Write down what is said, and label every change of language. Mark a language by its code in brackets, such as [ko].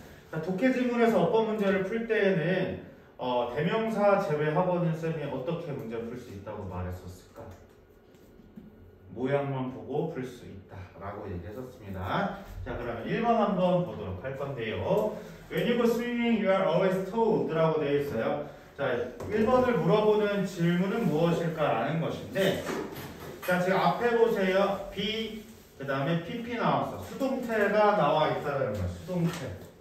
[ko] 자, 독해 질문에서 어법 문제를 풀 때에는 대명사 제외하고는 쌤이 어떻게 문제 풀 수 있다고 말했었을까? 모양만 보고 풀 수 있다 라고 얘기했었습니다. 자, 그러면 1번 한번 보도록 할 건데요. [en] When you go swimming, you are always told [ko] 라고 되어 있어요. 자, 1번을 물어보는 질문은 무엇일까라는 것인데, 자, 지금 앞에 보세요. B, 그 다음에 PP 나왔어. 수동태가 나와 있다는 거야. 수동태.